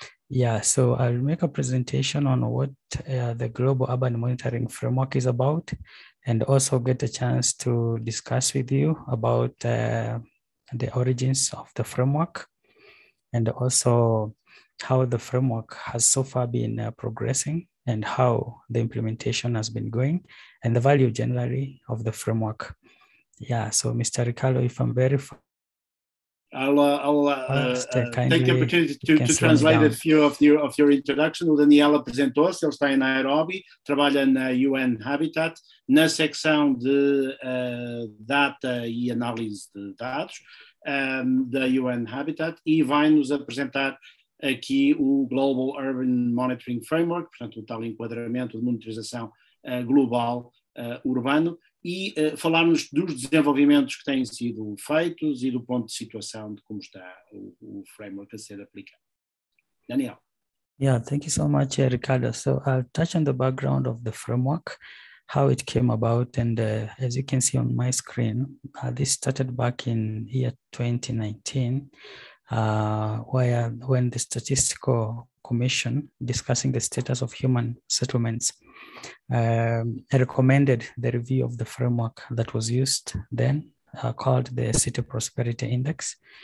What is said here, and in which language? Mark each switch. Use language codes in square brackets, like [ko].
[en] Yeah, so I'll make a presentation on what the Global Urban Monitoring Framework is about, and also get a chance to discuss with you about the origins of the framework, and also how the framework has so far been progressing, and how the implementation has been going, and the value generally of the framework. Yeah, so Mr. Ricardo, if I'm very kindly take the opportunity to translate a few of your introduction. [pt] O Daniel apresentou-se, ele está em Nairobi, trabalha na UN Habitat, na secção de data e análise de dados da UN Habitat, e vai nos apresentar aqui o Global Urban Monitoring Framework, portanto o tal enquadramento de monitorização global urbano, e falarmos dos desenvolvimentos que têm sido feitos e do ponto de situação de como está o framework a ser aplicado. Daniel. [en] Yeah, thank you so much, Ricardo. So I'll touch on the background of the framework, how it came about, and as you can see on my screen, this started back in year 2019. When the Statistical Commission, discussing the status of human settlements, recommended the review of the framework that was used then, called the City Prosperity Index.